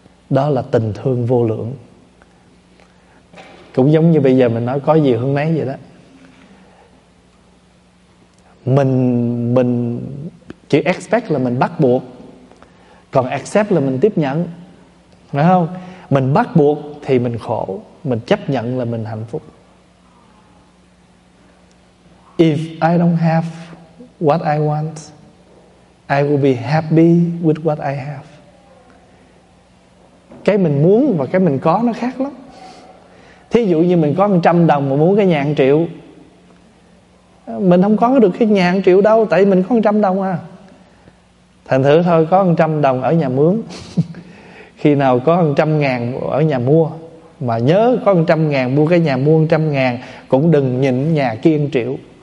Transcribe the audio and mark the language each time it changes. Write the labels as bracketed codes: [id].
[vi] Đó là tình thương vô lượng. Cũng giống như bây giờ mình nói có gì hơn mấy vậy đó. Mình chỉ expect là mình bắt buộc, còn accept là mình tiếp nhận, phải không? Mình bắt buộc thì mình khổ, mình chấp nhận là mình hạnh phúc. [en] If I don't have what I want, I will be happy with what I have. [vi] Cái mình muốn và cái mình có nó khác lắm. Thí dụ như mình có 100 đồng mà muốn cái nhà 1 triệu, mình không có được cái nhà 1 triệu đâu, tại mình có 100 đồng à. Thành thử thôi có 100 đồng ở nhà mướn. Khi nào có 100 ngàn ở nhà mua, mà nhớ có 100 ngàn mua cái nhà mua 100 ngàn, cũng đừng nhịn nhà kia 1 triệu.